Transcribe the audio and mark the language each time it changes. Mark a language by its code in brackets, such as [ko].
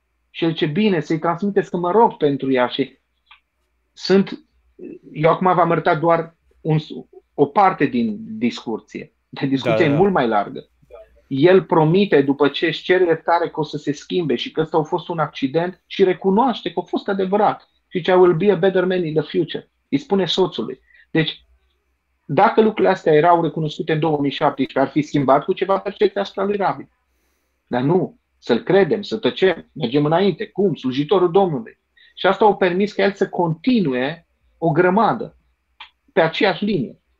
[ro] Și el zice, bine, să-i transmiteți că mă rog pentru ea. Și sunt, eu acum v-am arătat doar o parte din discurție. De discuție e mult mai largă. El promite, după ce își cere iertare, că o să se schimbe și că ăsta a fost un accident și recunoaște că a fost adevărat. Și zice, [en] I will be a better man in the future. [ro] Îi spune soțului. Deci, dacă lucrurile astea erau recunoscute în 2017, ar fi schimbat cu ceva percepția asupra lui Rabin. Dar nu. Să-l credem, să tăcem. Mergem înainte. Cum? Slujitorul Domnului. Și asta a permis ca el să continue o grămadă. Pe aceeași linie.